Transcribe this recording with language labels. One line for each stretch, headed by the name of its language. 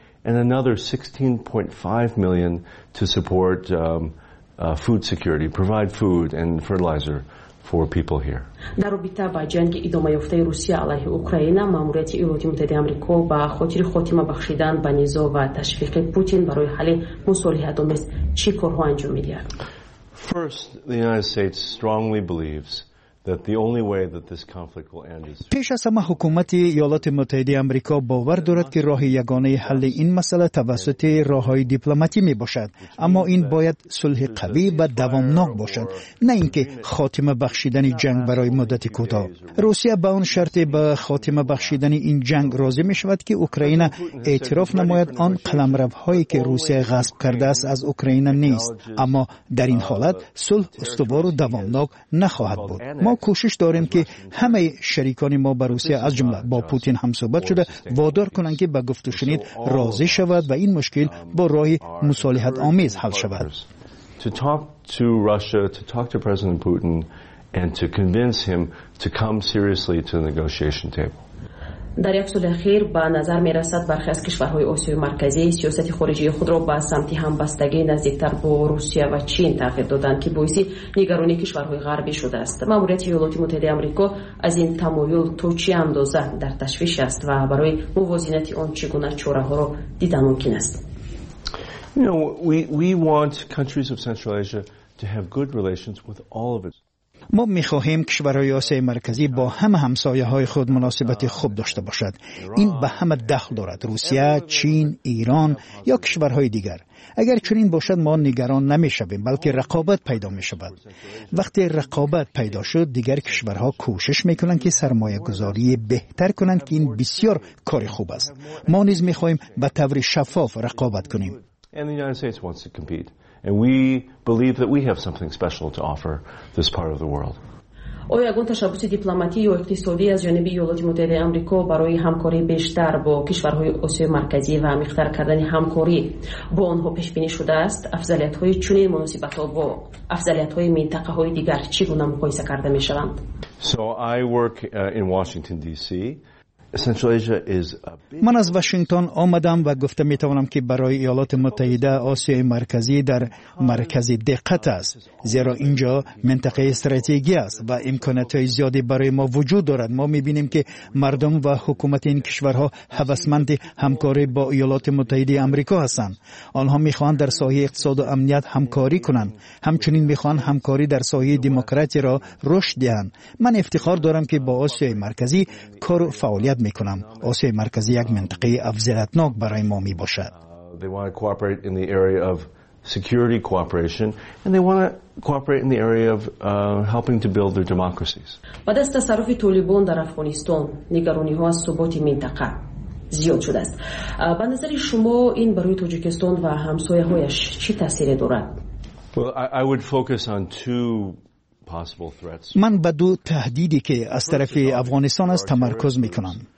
English: And another 16.5 million to support food security, provide food and fertilizer for people here.
Persian: در رابطه با جنگ ادامه یافته روسیه علیه اوکراین، ماموریت ایالات متحده آمریکا با خاطر خاتمه بخشیدن به نزاع و تشویق پوتین برای حل مصالحه دامس چی کارها انجام می‌دهد؟
English: First, the United States strongly believes that the only way that this conflict will end is
Persian: پیش از همه حکومت ایالات متحده آمریکا باور دارد که راه یگانه حل این مسئله توسط راه‌های دیپلماتیک میباشد، اما این باید صلح قوی و دوامناک باشد، نه اینکه خاتمه بخشیدن جنگ برای مدت کوتاه. روسیه به آن شرط به خاتمه بخشیدن این جنگ راضی می‌شود که اوکراین اعتراف نماید آن قلمروهایی که روسیه غصب کرده است از اوکراین نیست، اما در این حالت صلح استوار و دوامناک نخواهد بود. ما کوشش داریم که همه شریکان ما به روسیه از جمله با پوتین هم صحبت شده وادار کنند که به گفت و شنید راضی شود و این مشکل با راه مصالحت آمیز حل شود.
English: To talk to Russia, to talk to President Putin and to convince him to come seriously to the negotiation table.
Persian: در یک سال اخیر به نظر می رسد برخی از کشورهای آسیای مرکزی سیاست خارجی خود را به سمت همبستگی نزدیکتر با روسیه و چین تغییر دادند که باعث نگرانی کشورهای غربی شده است. ماموریت ایالات متحده آمریکا از این تمایل تا چه اندازه در تشویش است و برای موازنت آن چگونه چاره ها را دیدن ممکن است؟
English: We want countries of Central Asia to have good relations with all of its.
Persian: ما می خواهیم کشورهای آسیای مرکزی با همه همسایه های خود مناسبت خوب داشته باشد. این به همه دخل دارد، روسیه، چین، ایران یا کشورهای دیگر. اگر چنین باشد ما نگران نمی شویم، بلکه رقابت پیدا می شود. وقتی رقابت پیدا شد دیگر کشورها کوشش می کنند که سرمایه گذاری بهتر کنند که این بسیار کار خوب است. ما نیز می خواهیم به طور شفاف رقابت کنیم.
English: And we believe that we have something special to offer this part of the world.
Persian: آیا گونه تشبث دیپلماتیک و اقتصادی از جانب ایالات متحده آمریکا برای همکاری بیشتر با کشورهای آسیای مرکزی و عمیق‌تر کردن همکاری با آنها پیش بینی شده است؟ افضلیت‌های چنین مناسبت‌ها با افضلیت‌های منطقه‌های دیگر چگونه مقایسه کرده می‌شوند؟
English: So I work in Washington DC. Central Asia is a big.
Persian: من از واشنگتن آمدم و گفته می توانم که برای ایالات متحده آسیای مرکزی در مرکز دقت است، زیرا اینجا منطقه استراتژی است و امکانات زیادی برای ما وجود دارد. ما می بینیم که مردم و حکومت این کشورها هوسمند همکاری با ایالات متحده آمریکا هستند. آنها می خواهند در سایه اقتصاد و امنیت همکاری کنند، همچنین می خواهند همکاری در سایه دموکراسی را رشد دهند. من افتخار دارم که با آسیای مرکزی کار و فعالیت میکنم. آسیای مرکزی یک منطقه افضلیتناک برای ما می باشد.
English: They want to cooperate in the area of security cooperation and they want to cooperate in the area of helping to build their democracies.
Persian: بعد از تصرف طالبان در افغانستان، نگرانی ها از ثبات منطقه زیاد شده است. به نظر شما این برای تاجیکستان و همسایه هایش چی تاثیر دارد؟
English: Well, I would focus on two.
Persian: من به دو تهدیدی که از طرف افغانستان است تمرکز میکنم.